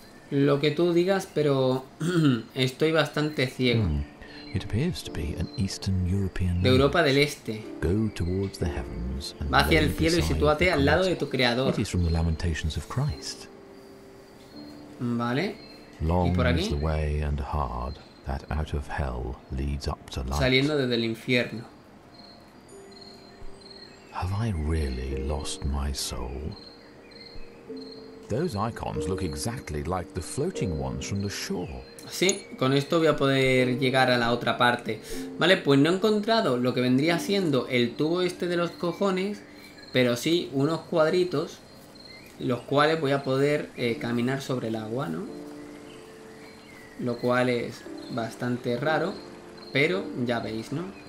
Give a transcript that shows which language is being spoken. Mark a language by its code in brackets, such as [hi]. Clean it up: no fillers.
[es] Lo que tú digas, pero... estoy bastante ciego. [en] It appears to be an Eastern European [es] de Europa del Este. [en] Go towards the heavens and [es] va hacia el cielo y sitúate al lado de tu Creador. [en] It is from the Lamentations of Christ. [es] Vale. [en] Long is the way and hard that out of hell leads up to light. [es] Saliendo desde el infierno. [en] Have I really lost my soul? Those icons look exactly like the floating ones from the shore. [es] Sí, con esto voy a poder llegar a la otra parte. Vale, pues no he encontrado lo que vendría siendo el tubo este de los cojones, pero sí unos cuadritos, los cuales voy a poder caminar sobre el agua, ¿no? Lo cual es bastante raro, pero ya veis, ¿no?